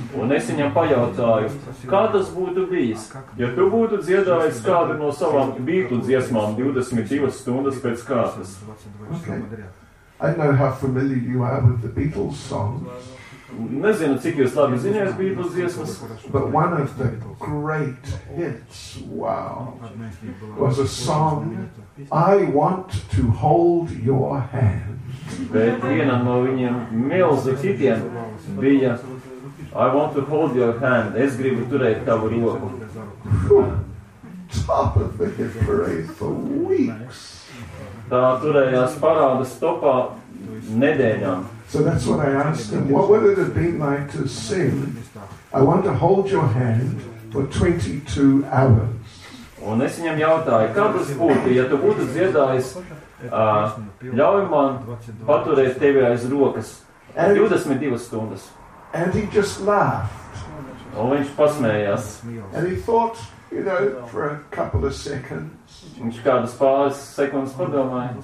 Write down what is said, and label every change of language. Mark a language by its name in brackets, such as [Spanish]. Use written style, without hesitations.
[Latvian] Un es viņam pajautāju, kā tas būtu bijis, ja tu būtu dziedājis kādu no savām Beatles dziesmām 22 stundas pēc kārtas. [English] Okay. I know how familiar you are with the Beatles songs. [Latvian] Nezinu, cik jūs labi zinājies Beatles dziesmas. [English] But one of the great hits, wow, was a song, I want to hold your hand. [Latvian] Bet viena no viņiem milzu hitiem bija, [English] I want to hold your hand, [Latvian] es gribu turēt tavu roku. [English] Top of the hit parade for weeks. [Latvian] Tā turējās parādes topā nedēļām. [English] So that's what I asked him. What would it have been like to sing? I want to hold your hand for 22 hours. [Latvian] Un es viņam jautāju, kā tas būtu, ja tu būtu dziedājis, ļauj man paturēt tevi aiz rokas 22 stundas. [English] And he just laughed. [Latvian] Un viņš pasmējās. [English] And he thought, you know, for a couple of seconds. [Latvian] Viņš kādas pāris sekundes padomāja.